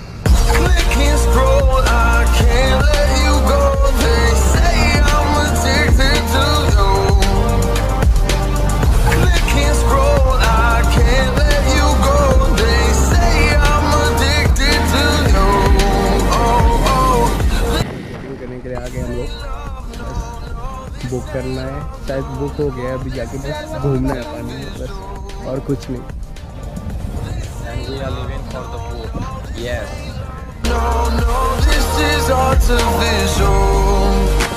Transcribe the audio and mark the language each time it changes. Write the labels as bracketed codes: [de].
[en] Click and scroll, I can't let you go. They say I'm addicted to you. Click and scroll, I can't let you go. They say I'm addicted to you. Oh oh. [hi] करने के लिए आ गए हम लोग, book करना है, शायद book हो गया, अभी जाके बस घूमना है पानी में बस, और कुछ नहीं। [en] And we are living for the food. Yes. No, no, this is artificial.